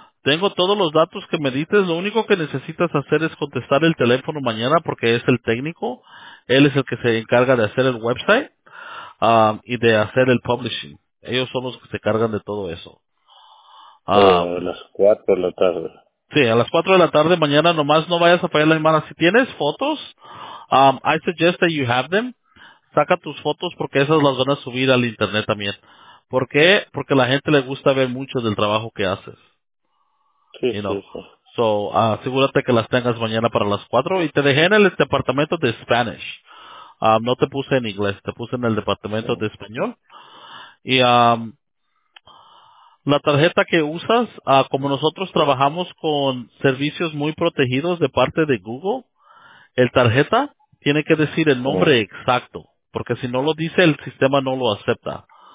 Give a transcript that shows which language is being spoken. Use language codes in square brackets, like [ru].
[es] Tengo todos los datos que me dices. Lo único que necesitas hacer es contestar el teléfono mañana, porque es el técnico. Él es el que se encarga de hacer el website y de hacer el publishing. Ellos son los que se cargan de todo eso. A las 4 de la tarde. Sí, a las 4 de la tarde mañana. Nomás no vayas a fallar la semana. Si tienes fotos, [en] I suggest that you have them. [es] Saca tus fotos, porque esas las van a subir al internet también. ¿Por qué? Porque a la gente le gusta ver mucho del trabajo que haces. Sí, [en] you know. [es] Sí, sí. So, asegúrate que las tengas mañana para las 4. Y te dejé en el departamento de Spanish. No te puse en inglés, te puse en el departamento de español. Y la tarjeta que usas, como nosotros trabajamos con servicios muy protegidos de parte de Google, el tarjeta tiene que decir el nombre exacto, porque si no lo dice, el sistema no lo acepta.